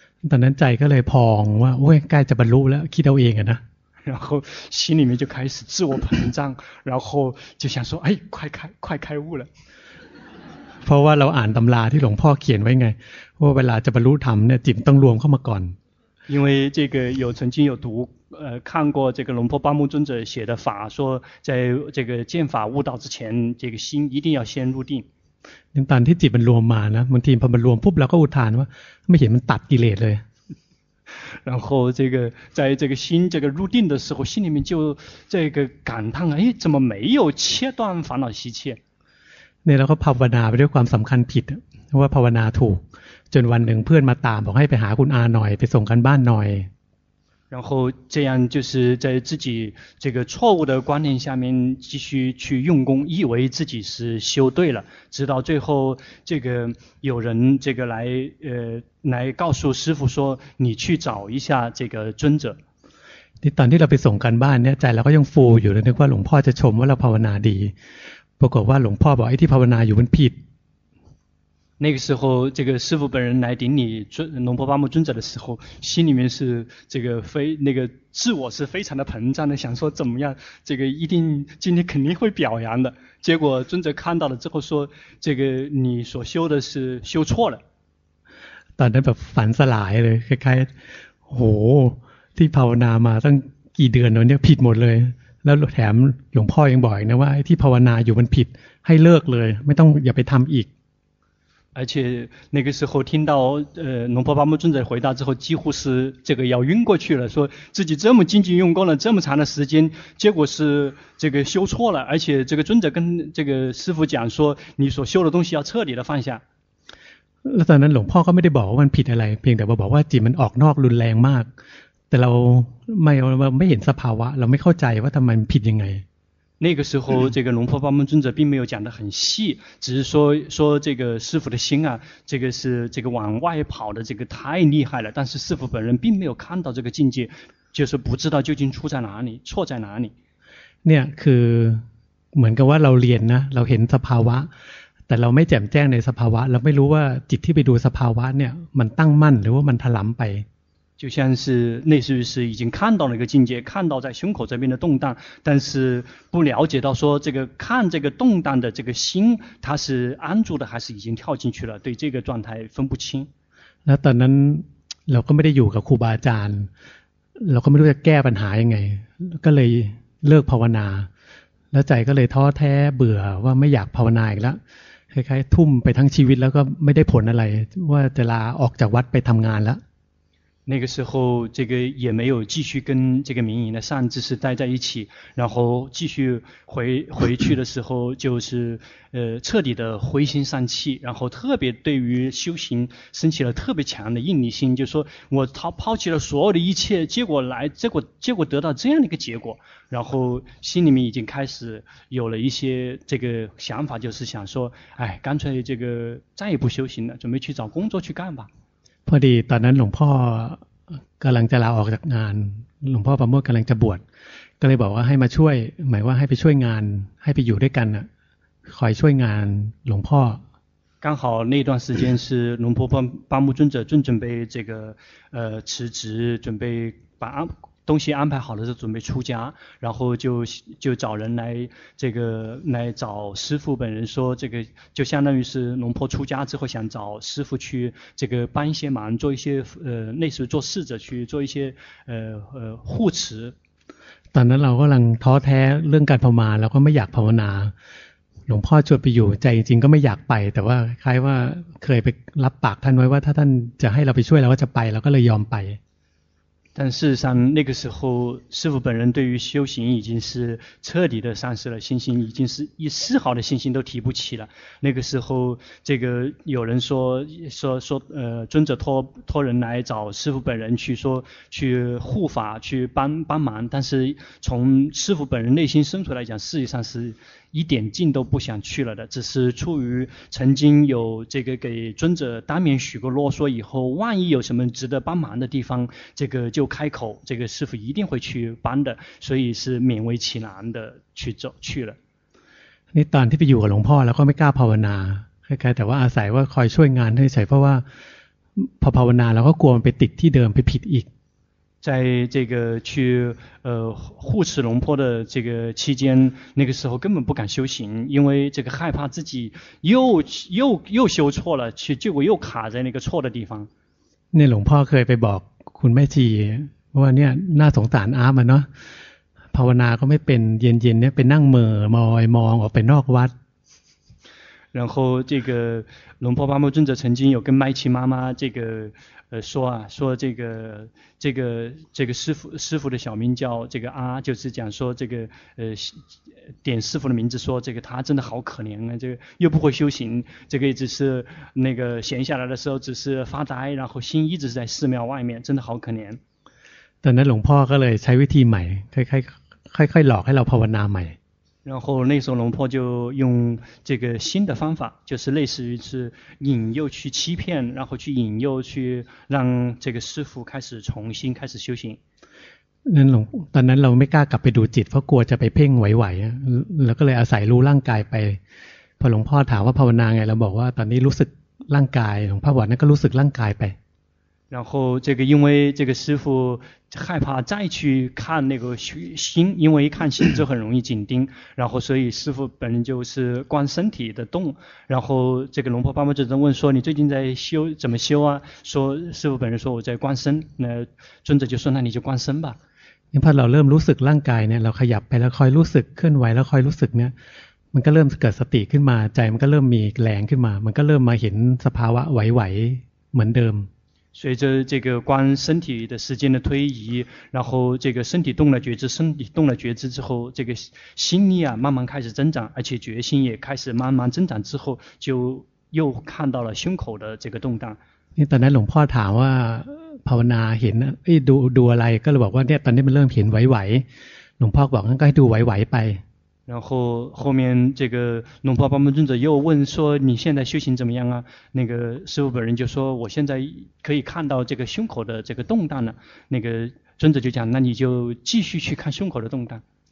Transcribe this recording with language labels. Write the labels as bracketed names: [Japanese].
[Thai] ตอนนั้นใจก็เลยพองว่าโอ้ยใกล้จะบรรลุแล้วคิดเอาเองอะนะ [Chinese] 然后心里面就开始自我膨胀然后就想说哎快开悟了 [Thai] เพราะว่าเราอ่านตำราที่หลวงพ่อเขียนไว้ไงว่าเวลาจะบรรลุธรรมเนี่ยจิตต้องรวมเข้ามาก่อน [Chinese] 因为这个有曾经有读看过这个龙婆巴木尊者写的法说在这个见法悟道之前这个心一定要先入定 [Thai] ตอนที่จิตมันรวมมานะบางทีพอมันรวมปุ๊บเราก็อุทานว่าไม่เห็นมันตัดกิเลสเลย [Chinese] 然后这个在这个心这个入定的时候心里面就这个感叹哎怎么没有切断烦恼习气 [Thai] เนี่ยเราก็ภาวนาไปด้วยความสำคัญผิดว่าภาวนาถูกจนวันหนึ่งเพื่อนมาตามบอกให้ไปหาคุณอาหน่อยไปส่งกันบ้านหน่อย [Chinese] 然后这样就是在自己这个错误的观念下面继续去用功以为自己是修对了直到最后这个有人这个来告诉师父说你去找一下这个尊者 [Thai] ที่ตอนที่เราไปส่งกันบ้านเนี่ยใจเราก็ยังฟูอยู่เลยนึกว่าหลวงพ่อจะชมว่าเราภาวนาดีปรากฏว่าหลวงพ่อบอกไอ้ที่ภาวนาอยู่มันผิด [Chinese] 那个时候这个师父本人来顶礼龙婆巴木尊者的时候心里面是这个非那个自我是非常的膨胀的想说怎么样这个一定今天肯定会表扬的结果尊者看到了之后说这个你所修的是修错了 [Thai] ตอนนั้นแบบฝันสลายเลยคล้ายๆโหที่ภาวนามาตั้งกี่เดือนแล้วเนี่ยผิดหมดเลยแล้วแถมหลวงพ่อยังบอกอีกนะว่าไอ้ที่ภาวนาอยู่มันผิดให้เลิกเลยไม่ต้องอย่าไปทำอีก [Chinese] 而且那个时候听到龙婆巴木尊者回答之后几乎是这个要晕过去了说自己这么精进用功了这么长的时间结果是这个修错了而且这个尊者跟这个师父讲说你所修的东西要彻底的放下 [Thai] แล้วตอนนั้นหลวงพ่อก็ไม่ได้บอกว่ามันผิดอะไรเพียงแต่บอกว่าจิตมันออกนอกรุนแรงมากแต่เราไม่เห็นสภาวะเราไม่เข้าใจว่าทำไมผิดยังไง [Chinese] 那个时候这个龙婆巴木尊者并没有讲得很细只是说这个师父的心啊这个是这个往外跑的这个太厉害了但是师父本人并没有看到这个境界就是不知道究竟出在哪里错在哪里 [Thai] เนี่ยคือเหมือนกับว่าเราเรียนนะเราเห็นสภาวะแต่เราไม่แจ่มแจ้งในสภาวะเราไม่รู้ว่าจิตที่ไปดูสภาวะเนี่ยมันตั้งมั่นหรือว่ามันถลำไป [Chinese] 就像是类似于是已经看到了一个境界看到在胸口这边的动荡但是不了解到说这个看这个动荡的这个心它是安住的还是已经跳进去了对这个状态分不清 [Thai] 那ตอนนั้นเราก็ไม่ได้อยู่กับครูบาอาจารย์เราก็ไม่รู้จะแก้ปัญหายังไงก็เลยเลิกภาวนาแล้วใจก็เลยท้อแท้เบื่อว่าไม่อยากภาวนาอีกแล้วคล้ายๆทุ่มไปทั้งชีวิตแล้วก็ไม่ได้ผลอะไรว่าจะลาออกจากวัดไปทำงานแล้ว [Chinese] 那个时候这个也没有继续跟这个明仪的善知识待在一起然后继续回去的时候就是彻底的灰心丧气然后特别对于修行升起了特别强的应力心就是说我抛弃了所有的一切结果得到这样的一个结果然后心里面已经开始有了一些这个想法就是想说哎干脆这个再也不修行了准备去找工作去干吧 [Thai] พอดีตอนนั้นหลวงพ่อกำลังจะลาออกจากงานหลวงพ่อประโมทกำลังจะบวชก็เลยบอกว่าให้มาช่วยหมายว่าให้ไปช่วยงานให้ไปอยู่ด้วยกันคอยช่วยงานหลวงพ่อ [Chinese] 刚好那段时间是龙婆巴木尊者正准备这个辞职准备把东西安排好了就准备出家，然后就找人来这个来找师父本人说这个，就相当于是龙婆出家之后想找师父去这个帮一些忙，做一些类似做侍者去做一些护持。 [Thai] ตอนนั้นเรากำลังท้อแท้เรื่องการภาวนาเราก็ไม่อยากภาวนาหลวงพ่อชวนไปอยู่ใจจริงๆก็ไม่อยากไปแต่ว่าคล้ายว่าเคยไปรับปากท่านไว้ว่าถ้าท่านจะให้เราไปช่วยเราก็จะไปเราก็เลยยอมไป [Chinese] 但事实上那个时候师父本人对于修行已经是彻底的丧失了信心，已经是一丝毫的信心都提不起了。那个时候这个有人说尊者托人来找师父本人去说去护法去帮忙，但是从师父本人内心深处来讲，事实上是一点劲都不想去了的，只是出于曾经有这个给尊者当面许过啰嗦以后，万一有什么值得帮忙的地方，这个就开口，这个师父一定会去帮的，所以是勉为其难的去走去了。 [Thai] 你ตอนที่ไปอยู่กับหลวงพ่อแล้วก็ไม่กล้าภาวนาคล้ายๆแต่ว่าอาศัยว่าคอยช่วยงานให้ใช่เพราะว่าพอภาวนาแล้วก็กลัวมันไปติดที่เดิมไปผิดอีก [Chinese] 在这个去护持龙婆的这个期间，那个时候根本不敢修行，因为这个害怕自己又修错了，去结果又卡在那个错的地方。 [Thai] 那龙婆เคยไปบอกคุณแม่ชีว่าเนี่ยน่าสงสารอาร์มเนาะภาวนาก็ไม่เป็นเย็นเนี่ยไปนั่งเหม่อลอยมองออกไปนอกวัด。 [Chinese] 然后这个龙婆巴木尊者曾经有跟麦琪妈妈这个。说这个师父的小名叫这个阿，就是讲说这个点师父的名字，说这个他真的好可怜啊，这个又不会修行，这个只是那个闲下来的时候只是发呆，然后心一直在寺庙外面，真的好可怜。 [Thai] 但那龙婆ก็เลยใช้วิธีใหม่ค่อยหลอกให้เราภาวนาใหม่ [Chinese] 然后那时候龙婆就用这个新的方法，就是类似于是引诱去欺骗，然后去引诱去让这个师父开始重新开始修行。那龙，当然我没敢 [Thai] กลับไปดูจิต，เพราะกลัวจะไปเพ่งไหวๆ，แล้วก็เลยอาศัยรู้ร่างกายไป。 พอหลวงพ่อถามว่าภาวนาไง，เราบอกว่าตอนนี้รู้สึกร่างกาย，หลวงพ่อบอกนั่นก็รู้สึกร่างกายไป。 [Chinese] 然后这个因为这个师父害怕再去看那个心，因为一看心就很容易紧盯，然后所以师父本人就是观身体的动，然后这个龙婆巴木尊者问说你最近在修怎么修啊，说师父本人说我在观身，那尊者就说那你就观身吧。 [Thai] เพราะเราเริ่มรู้สึกร่างกายเนี่ยเราขยับไปแล้วคอยรู้สึกเคลื่อนไหวแล้วคอยรู้สึกเนี่ยมันก็เริ่มเกิดสติขึ้นมาใจมันก็เริ่มมีแรงขึ้นมามันก็เริ่มมาเห็นสภาวะไหวๆเหมือนเดิม。 [Chinese] 随着这个观身体的时间的推移，然后这个身体动了觉知，身体动了觉知之后，这个心力啊慢慢开始增长，而且决心也开始慢慢增长之后，就又看到了胸口的这个动荡。 [Thai] 你ตอนนั้นหลวงพ่อถามว่าภาวนาเห็นดูอะไรก็เลยบอกว่าเนี่ยตอนนี้มันเริ่มเห็นไหวไหวหลวงพ่อบอกงั้นก็ให้ดูไหวไหวไป。 [Chinese] 然后后面这个龙婆巴木尊者又问说你现在修行怎么样啊，那个师父本人就说我现在可以看到这个胸口的这个动荡了，那个尊者就讲那你就继续去看胸口的动荡。